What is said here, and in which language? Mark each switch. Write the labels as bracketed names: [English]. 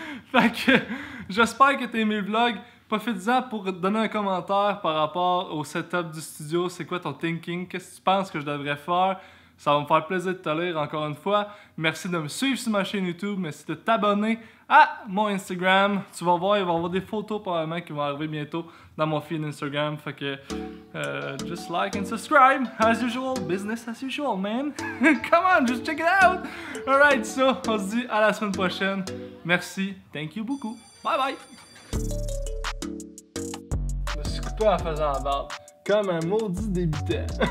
[French] Fait que j'espère que t'as aimé le vlog. Profite-en pour donner un commentaire par rapport au setup du studio. C'est quoi ton thinking? Qu'est-ce que tu penses que je devrais faire? Ça va me faire plaisir de te lire encore une fois. Merci de me suivre sur ma chaîne YouTube. Merci de t'abonner à mon Instagram. Tu vas voir, il va y avoir des photos probablement qui vont arriver bientôt dans mon feed Instagram. Fait que, [English] just like and subscribe. As usual, business as usual, man. Come on, just check it out. Alright, so, [French] on se dit à la semaine prochaine. Merci, [English] thank you [French] beaucoup. Bye bye. Je me suis coupé en faisant la barbe. Comme un maudit débutant.